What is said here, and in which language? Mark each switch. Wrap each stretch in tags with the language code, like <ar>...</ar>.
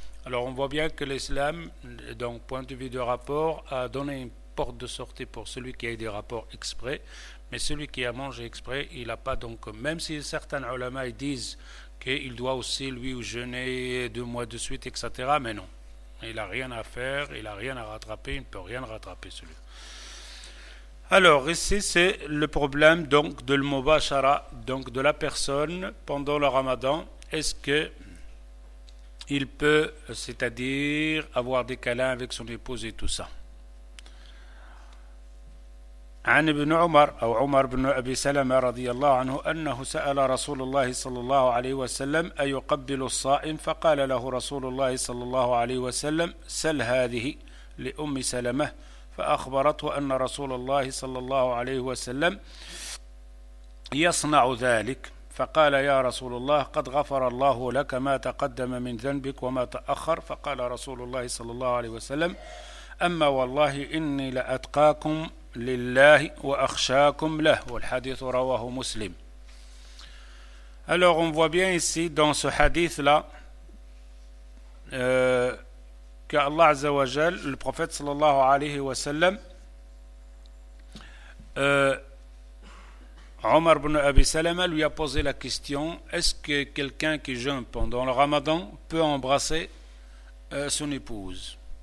<fr>Alors on voit bien que l'islam, donc point de vue de rapport, a donné une porte de sortie pour celui qui a eu des rapports exprès, mais celui qui a mangé exprès, il n'a pas donc, même si certains ulama disent qu'il doit aussi lui jeûner deux mois de suite, etc., mais non, il n'a rien à faire, il n'a rien à rattraper, il ne peut rien rattraper celui-là. Alors ici c'est le problème donc de l'mubashara, donc de la personne pendant le ramadan, est-ce que il peut, c'est-à-dire avoir des câlins avec son épouse et tout ça.</fr> <ar>عن ابن عمر أو عمر بن أبي سلمة رضي الله عنه أنه سأل رسول الله صلى الله عليه وسلم أيقبل الصائم، فقال له رسول الله صلى الله عليه وسلم سل هذه لأم سلمة، فأخبرته أن رسول الله صلى الله عليه وسلم يصنع ذلك، فقال يا رسول الله قد غفر الله لك ما تقدم من ذنبك وما تأخر، فقال رسول الله صلى الله عليه وسلم أما والله إني لأتقاكم لله وأخشاكم له والحديث رواه مسلم.</ar> <fr>Alors on voit bien ici dans ce hadith là que Allah Azza wa Jal, le prophète sallallahu alayhi wa sallam, Omar ibn Abi Salama lui a posé la question, est-ce que quelqu'un qui jeûne pendant le Ramadan peut embrasser son épouse?</fr>